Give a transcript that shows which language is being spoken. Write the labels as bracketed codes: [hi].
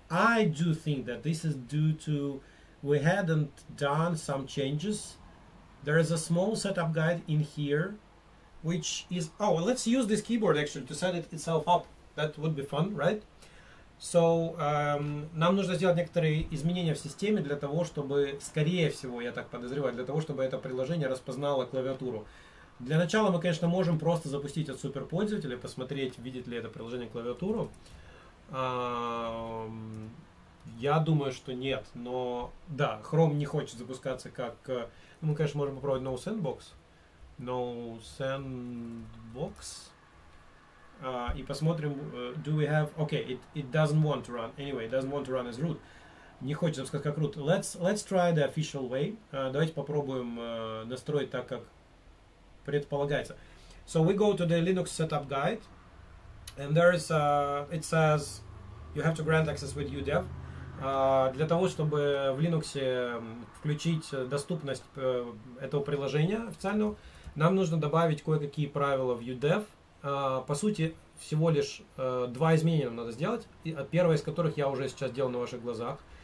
[en] I do think that this is due to we hadn't done some changes. There is a small setup guide in here, which is... Oh, well, let's use this keyboard actually to set it itself up. That would be fun, right? [ru] So, нам нужно сделать некоторые изменения в системе для того, чтобы, скорее всего, я так подозреваю, для того, чтобы это приложение распознало клавиатуру. Для начала мы, конечно, можем просто запустить от суперпользователя, посмотреть, видит ли это приложение клавиатуру. Я думаю, что нет, но да, Chrome не хочет запускаться как... Ну, мы, конечно, можем попробовать No Sandbox. No Sandbox. И посмотрим, [en] do we have... Okay, it doesn't want to run. Anyway, it doesn't want to run as root. [ru] Не хочет сказать как root. [en] Let's try the official way. [ru] Давайте попробуем настроить так, как предполагается. [en] So we go to the Linux setup guide. And there is... it says you have to grant access with UDEV. [ru] Для того, чтобы в Linux включить доступность этого приложения официального, нам нужно добавить кое-какие правила в UDEV. По сути, всего лишь два изменения нам надо сделать. Первое из которых я уже сейчас делал на ваших глазах.